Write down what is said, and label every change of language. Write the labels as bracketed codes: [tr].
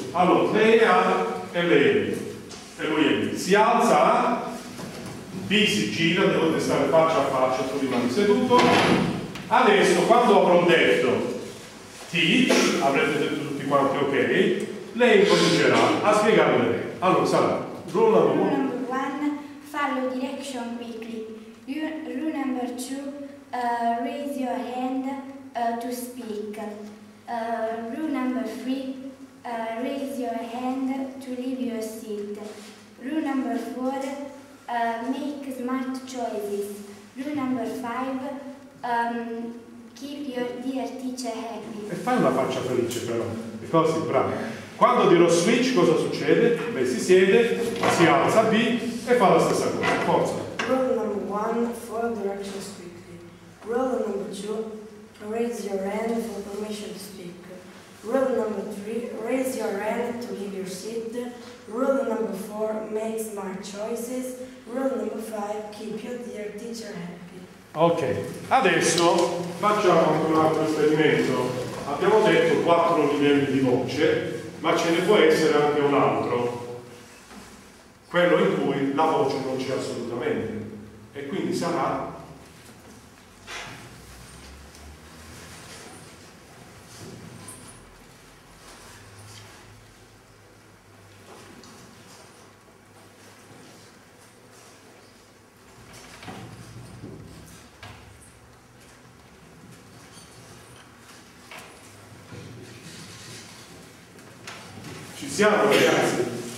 [it] Allora, lei è A e lei è B. E lui è B. Si alza A, B si gira, dovete stare faccia a faccia, tu rimani seduto. Adesso, quando avrò detto teach, avrete detto tutti quanti ok, lei comincerà a spiegare lei. Allora, sarà [en] rule number one. Rule number one, follow direction quickly. Rule number two, raise your hand to speak. Rule number three, raise your hand to leave your seat. Rule number four, make smart choices. Rule number five, keep your dear teacher happy. [it] E fai una faccia felice però, [en] because it's brave. [it] Quando dirò switch, cosa succede? Beh, si siede, si alza B e fa la stessa cosa. Forza. [en] Rule number one, follow directions quickly. Rule number two, raise your hand for permission to speak. Rule number three, raise your hand to leave your seat. Rule number four, make smart choices. Rule number five, keep your dear teacher happy. [it] Ok, adesso facciamo un altro esperimento. Abbiamo detto quattro livelli di voce, ma ce ne può essere anche un altro, quello in cui la voce non c'è assolutamente, e quindi sarà siamo ragazzi.